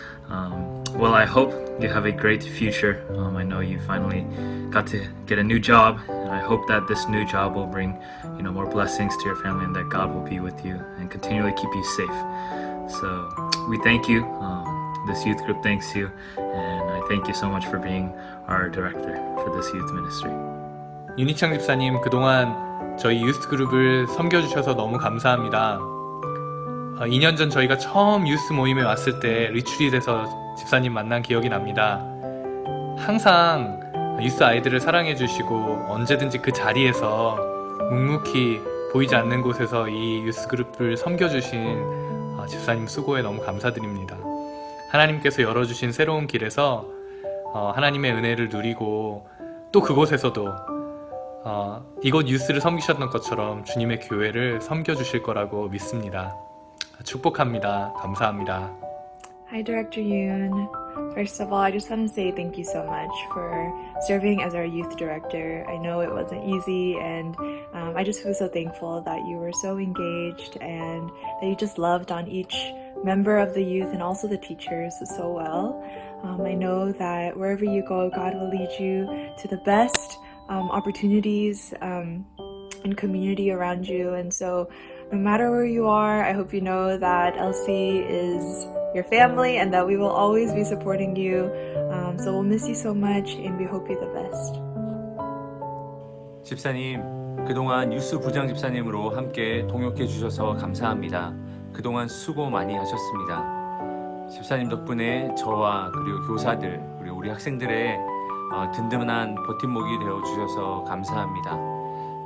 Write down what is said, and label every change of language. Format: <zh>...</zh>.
<en>Well, I hope you have a great future. I know you finally got to get a new job, and I hope that this new job will bring you know more blessings to your family, and that God will be with you and continually keep you safe. So we thank you. This youth group thanks you, and I thank you so much for being our director for this youth ministry.</en> <ko>유니창 집사님, 그동안 저희 유스트 그룹을 섬겨주셔서 너무 감사합니다. 2년 전 저희가 처음 유스 모임에 왔을 때 리추릿에서 집사님 만난 기억이 납니다. 항상 유스 아이들을 사랑해주시고 언제든지 그 자리에서 묵묵히 보이지 않는 곳에서 이 유스 그룹을 섬겨주신 집사님 수고에 너무 감사드립니다. 하나님께서 열어주신 새로운 길에서 하나님의 은혜를 누리고 또 그곳에서도 이곳 유스를 섬기셨던 것처럼 주님의 교회를 섬겨주실 거라고 믿습니다. 축복합니다. 감사합니다.</ko> <en>Hi, Director Yoon. First of all, I just want to say thank you so much for serving as our youth director. I know it wasn't easy, and I just feel so thankful that you were so engaged and that you just loved on each member of the youth and also the teachers so well. I know that wherever you go, God will lead you to the best opportunities and community around you. And so no matter where you are, I hope you know that LC is your family and that we will always be supporting you. So we'll miss you so much and we hope you the best.</en> <ko>집사님, 그동안 유스 부장 집사님으로 함께 동역해 주셔서 감사합니다. 그동안 수고 많이 하셨습니다. 집사님 덕분에 저와 그리고 교사들, 그리고 우리 학생들의 든든한 버팀목이 되어주셔서 감사합니다.</ko>